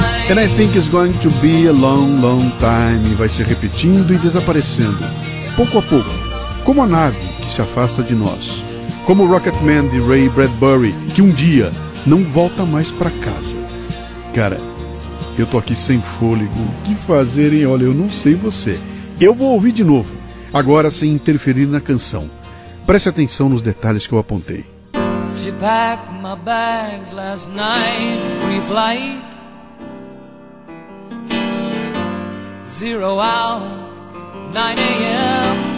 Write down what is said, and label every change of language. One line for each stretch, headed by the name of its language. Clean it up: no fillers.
English: And I think it's going to be a long, long time.
Portuguese: Vai se repetindo e desaparecendo, pouco a pouco. Como a nave que se afasta de nós. Como o Rocketman de Ray Bradbury, que um dia não volta mais para casa. Cara, eu tô aqui sem fôlego. O que fazer, hein? Olha, eu não sei você. Eu vou ouvir de novo, agora sem interferir na canção. Preste atenção nos detalhes que eu apontei.
English: She packed my bags last night, free flight. Zero hour, 9 a.m.